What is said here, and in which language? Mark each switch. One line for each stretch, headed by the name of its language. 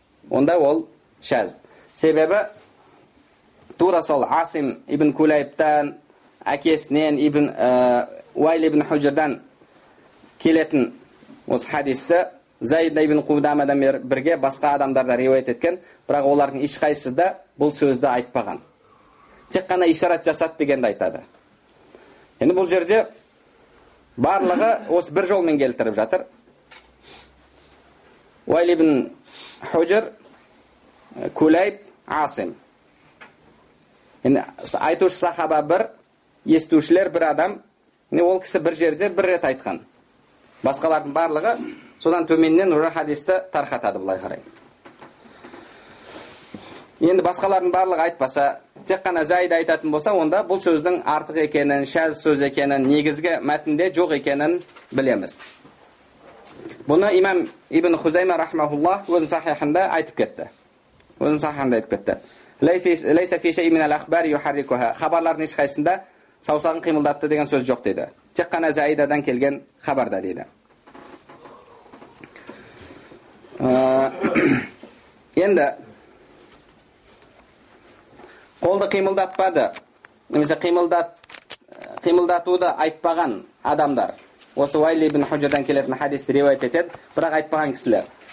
Kazakh: Онда ол шаз. Себебі тура сол Асим ибн Кулайбтан, әкесінен ибн Уайли ибн Худжардан келетін осы хадисті Зайд ибн Қудамадан бірге басқа адамдар да риуайет еткен, бірақ олардың ешқайсысы да бұл сөзді айтпаған. Тек қана ишарат жасады дегенді айтады. Енді бұл жерде барлығы осы бір жолмен келтіріп жатыр. Уайли ибн Худжар, Кулайб, Асим. Енді айтушы сахаба бір, естушілер бір адам. Не ол кісі бір жерде бір рет айтқан. Басқалардың барлығы содан төменнен уже хадисті тарқатады былай қарай. Енді басқалардың барлығы айтпаса, тек қана Заид айтатын болса, онда бұл сөздің артық екенін, шаз сөз екенін, негізгі мәтінде жоқ екенін білеміз. Бұны имам Ибн Хузайма рахмаһуллах өзінің сахихында айтып кетті.
Arabic: Лейса фи шейй мин аль-ахбар юхаррикуха.
Kazakh: Хабарлардың ешқайсында саусағын қимылдатты деген сөз жоқ дейді. Тек қана Заидадан келген хабарда дейді. Енді қолды қимылдатпады, немесе қимылдатуды айтпаған адамдар, осы Уайли ибн Худжадан келетін хадисті риуайт етеді, бірақ айтпаған кісілер.